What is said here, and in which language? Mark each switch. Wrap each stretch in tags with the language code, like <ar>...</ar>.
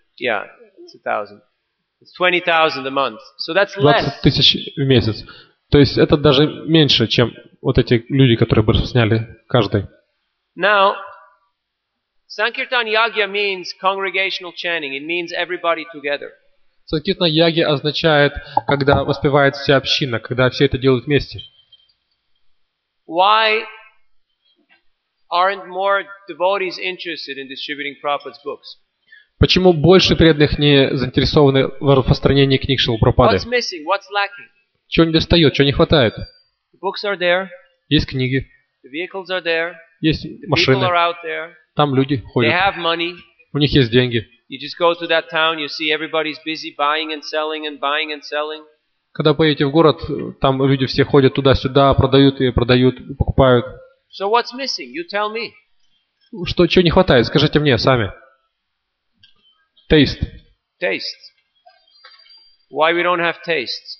<en>Yeah, it's 1,000. It's 20,000 a month. So that's less.</en> <ru>20 тысяч в месяц. То есть это даже меньше, чем вот эти люди, которые бы сняли каждый.</ru> <en>Now, Sankirtan Yagya means congregational chanting. It means everybody together.</en> <ru>Санкиртан Яги означает, когда воспевает вся община, когда все это делают вместе.</ru> <en>Why aren't more devotees interested in distributing Prabhupada's books?</en> <ru>Почему больше преданных не заинтересованы в распространении книг Шрилы Прабхупады?</ru> <en>What's missing? What's lacking?</en> <ru>Чего недостает? Чего не хватает?</ru> <en>The books are there.</en> <ru>Есть книги.</ru> <en>The vehicles are there.</en> <ru>Есть машины.</ru> <en>The people are out there.</en> <ru>Там люди ходят.</ru> <en>They have money.</en> <ru>У них есть деньги.</ru> <en>You just go to that town, you see everybody's busy buying and selling and buying and selling.</en> <ru>Когда поедете в город, там люди все ходят туда-сюда, продают и продают, покупают.</ru> <en>So what's missing? You tell me.</en> <ru>Что, чего не хватает? Скажите мне сами.</ru> <en>Taste. Taste. Why we don't have taste?</en>